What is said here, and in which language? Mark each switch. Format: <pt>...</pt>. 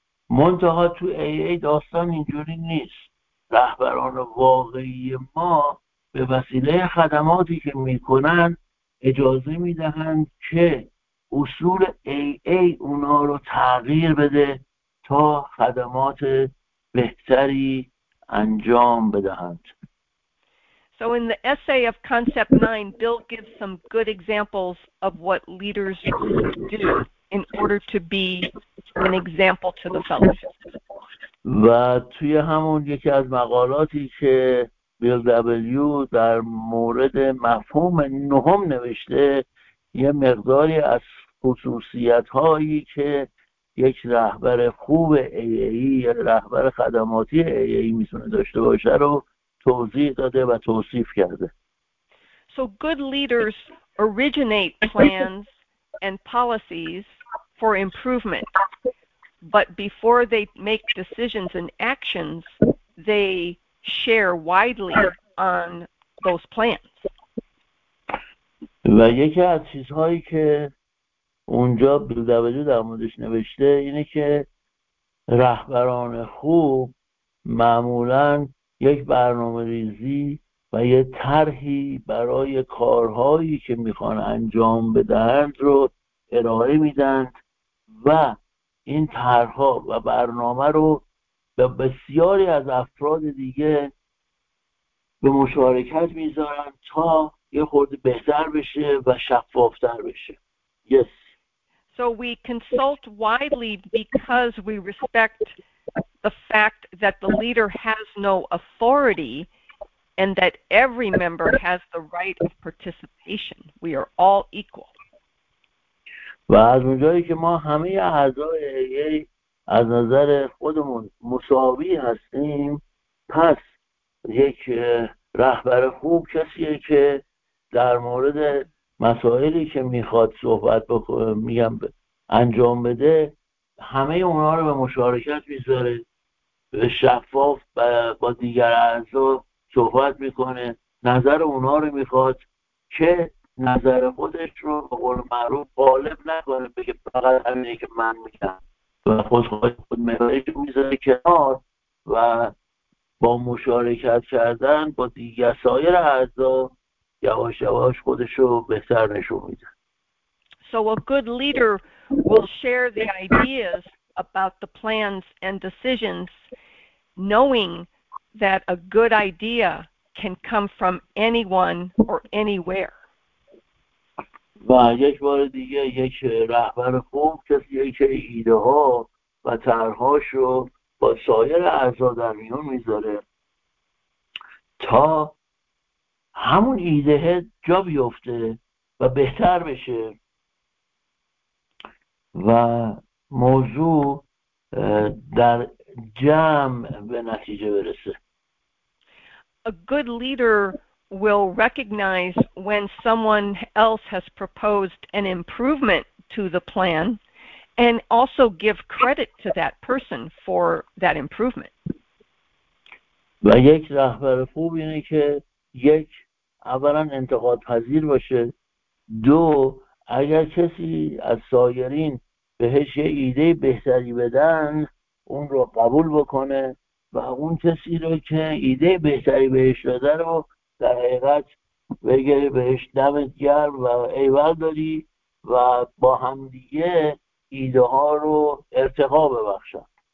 <fa>منتها تو AA داستان اینجوری نیست. رهبران واقعی ما به وسیله خدماتی که میکنن اجازه میدهند که اصول AA اونا رو تغییر بده تا خدمات بهتری انجام بدهند.</fa> <en>So in the essay of Concept 9, Bill gives some good examples of what leaders do in order to be an example to the fellowship.</en> <fa>و توی همون یکی از مقالاتی که بیل دبلیو در مورد مفهوم نهم نوشته، یه مقداری از خصوصیت هایی که یک رهبر خوب AA یا رهبر خدماتی AA میتونه داشته باشه رو توضیح داده و توصیف کرده.</fa> <en>So good leaders originate plans and policies for improvement. But before they make decisions and actions, they share widely on those plans.</en> <fa>و یکی از چیزهایی که اونجا بیل در موردش نوشته اینه که رهبران خوب معمولاً یک برنامه ریزی و یه طرحی برای کارهایی که میخوان انجام بدهند رو ارائه میدند و این طرح‌ها و برنامه رو به بسیاری از افراد دیگه به مشارکت میذارن تا یه خورده بهتر بشه و شفافتر بشه.</fa> <en>Yes. So we consult widely because we respect the fact that the leader has no authority and that every member has the right of participation. We are all equal.</en> <fa>و از اونجایی که ما همه اعضای AA از نظر خودمون مساوی هستیم، پس یک رهبر خوب کسیه که در مورد مسائلی که میخواد صحبت بکنه، میگم انجام بده، همه اونا رو به مشارکت میذاره، به شفاف با دیگر اعضا صحبت میکنه، نظر اونا رو میخواد که نظر خودش رو به قول معروف غالب نکنه، بگه فقط همینه که من میگم و خود مهارش رو میذاره کنار و با مشارکت کردن با دیگر سایر اعضا یواش یواش خودش رو بهتر نشون میده.</fa> <en>So a good leader will share the ideas about the plans and decisions, knowing that a good idea can come from anyone or anywhere.</en> <fa>و یک بار دیگه یک رهبر خوب کسیه که ایده ها و طرحاش رو با سایر اعضا در میون میذاره تا همون ایده جا بیفته و بهتر بشه و موضوع در جمع به نتیجه برسه.</fa> <en>A good leader will recognize when someone else has proposed an improvement to the plan and also give credit to that person for that improvement.</en> <fa>و یک رهبر خوب اینه که یک اولا انتقاد پذیر باشه، دو اگر کسی از سایرین بهش یه ایده بهتری بدن اون رو قبول بکنه و اون کسی رو که ایده بهتری بهش داده رو در حقیقت بگه بهش دمت گرم و ایول داری و با همدیگه ایده ها رو ارتقا ببخشن.</fa>